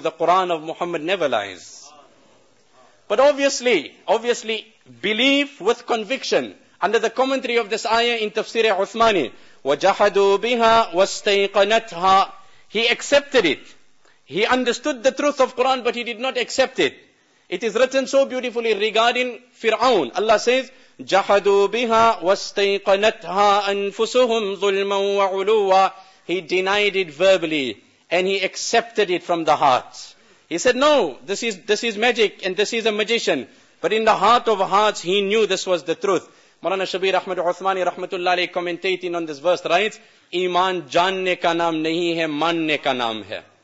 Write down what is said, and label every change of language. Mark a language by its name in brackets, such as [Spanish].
[English] The Quran of Muhammad never lies. But obviously, believe with conviction. Under the commentary of this ayah in Tafsir Uthmani, [Arabic] وَجَحَدُوا بِهَا وَاسْتَيْقَنَتْهَا, [English] he accepted it. He understood the truth of Quran, but he did not accept it. It is written so beautifully regarding Fir'aun. Allah says, [Arabic] جَحَدُوا بِهَا وَاسْتَيْقَنَتْهَا أَنفُسُهُمْ ظُلْمًا وَعُلُوًا. [English] He denied it verbally, and he accepted it from the heart. He said, "No, this is magic, and this is a magician." But in the heart of hearts, he knew this was the truth. Marana Shabir Ahmad Uthmani, rahmatullah alayhi, commentating on this verse, writes, [Urdu] "Iman janne ka naam nahi hai, manne ka naam hai."